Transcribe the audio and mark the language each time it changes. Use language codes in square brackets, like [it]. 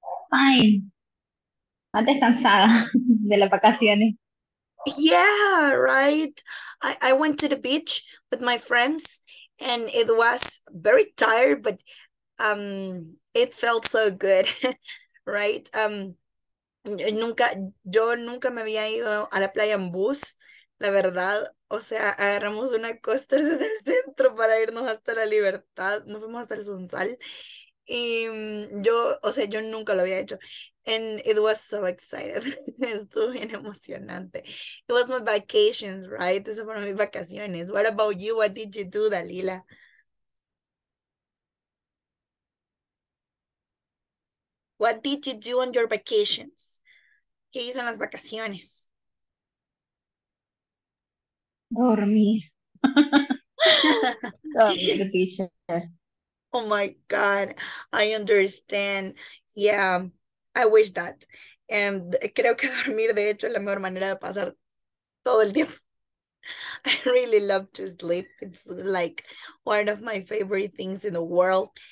[es] Fine. Antes cansada de las vacaciones. [en] Yeah, right. I went to the beach with my friends and it was very tired, but it felt so good, right? [es] Yo nunca me había ido a la playa en bus, la verdad. O sea, agarramos una costa desde el centro para irnos hasta La Libertad. Nos fuimos hasta el Sunsal. Y o sea, yo nunca lo había hecho. [en] And it was so excited. [es] Estuvo bien emocionante. [en] It was my vacations, right? [es] Esas fueron mis vacaciones. [en] What about you? What did you do, Dalila? What did you do on your vacations? [es] ¿Qué hizo en las vacaciones? Dormir. Dormir, teacher. [en] Oh my God, I understand. Yeah, I wish that. [es] Creo que dormir, de hecho, es la mejor manera de pasar todo el tiempo. [en] I really love to sleep. It's like one of my favorite things in the world.